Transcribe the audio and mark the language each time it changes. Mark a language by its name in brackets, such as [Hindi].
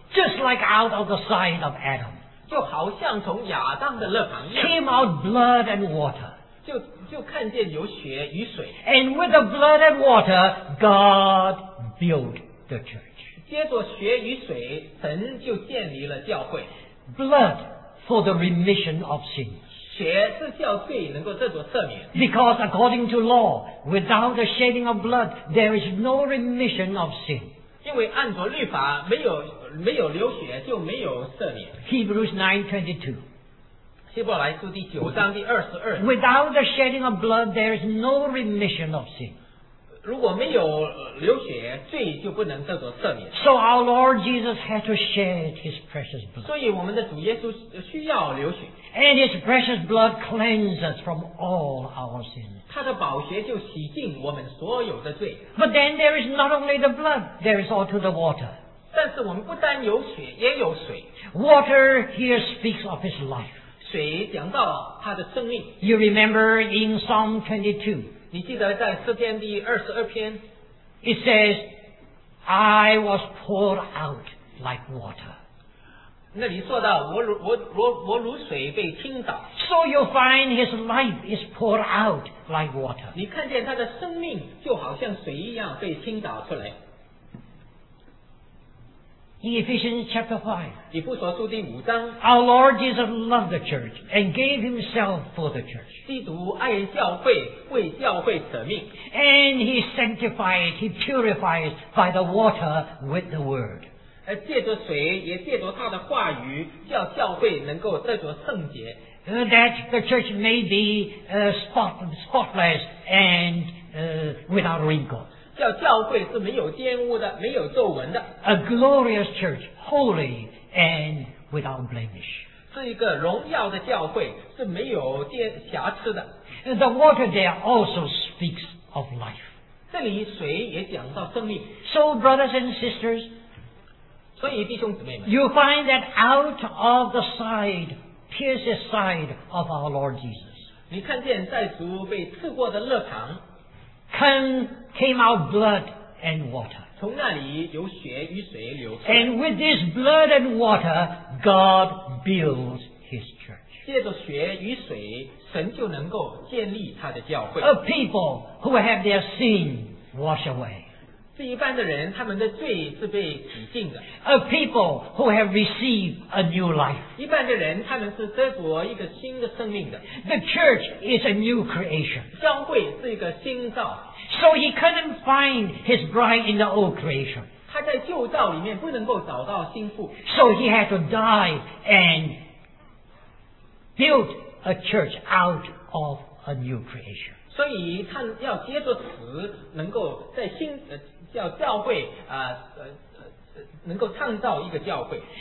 [English] Just like out of the side of Adam. [Chinese] 就好像从亚当的肋旁一样 [English] came out blood and water [Chinese] 就看见有血与水 [English] and with the blood and water God built the church [Chinese] 接着血与水神就建立了教会 [English] blood for the remission of sins [Chinese] 血是叫罪能够得着赦免 [English] because according to law without the shedding of blood there is no remission of sin [Chinese] 因为按照律法没有流血就没有赦免。 [English] Hebrews 9:22. [Chinese] 希伯来书第九章第二十二。 [English] Without the shedding of blood, there is no remission of sin. [Chinese] 如果没有流血，罪就不能得着赦免。 [English] So our Lord Jesus had to shed His precious blood. [Chinese] 所以我们的主耶稣需要流血。 [English] And His precious blood cleanses us from all our sins. [Chinese] 他的宝血就洗净我们所有的罪。 [English] But then there is not only the blood, there is also the water. [Chinese] 但是我们不单有血也有水 [English] Water here speaks of his life [Chinese] 水讲到他的生命 [English] You remember in Psalm 22 [Chinese] 你记得在诗篇第二十二篇 [English] It says I was poured out like water [Chinese] 那里说到 我如水被倾倒 [English] So you find his life is poured out like water [Chinese] 你看见他的生命就好像水一样被倾倒出来 [English] In Ephesians chapter 5, [Chinese] 以弗所书第五章, [English] our Lord Jesus loved the church and gave himself for the church. [Chinese] 基督爱教会, 为教会舍命, [English] and he sanctified, he purified by the water with the word. [Chinese] 借着水, 也借着他的话语, 叫教会能够得着圣洁, [English] that the church may be spotless and without wrinkles. [Chinese] 叫教会是没有玷污的没有皱纹的 [English] A glorious church holy and without blemish [Chinese] 是一个荣耀的教会是没有瑕疵的 [English] The water there also speaks of life [Chinese] 这里水也讲到生命 [English] So brothers and sisters [Chinese] 所以弟兄姊妹们 [English] You find that out of the side pierced side of our Lord Jesus [Chinese] 你看见在主被刺过的肋旁 [English] Came out blood and water. [Chinese] 从那里有血与水流出。 [English] And with this blood and water, God builds His church. [Chinese] 借着血与水，神就能够建立他的教会。 [English] A people who have their sin washed away. [Chinese] 这一般的人，他们的罪是被洗净的。 [English] A people who have received a new life. [Chinese] 一般的人，他们是得着一个新的生命的。 [English] The church is a new creation. [Chinese] 教会是一个新造。 [English] So he couldn't find his bride in the old creation. [Chinese] 他在旧造里面不能够找到新妇。 [English] So he had to die and build a church out of a new creation. [Chinese] 所以他要接着死，能够在新叫教会啊能够创造一个教会。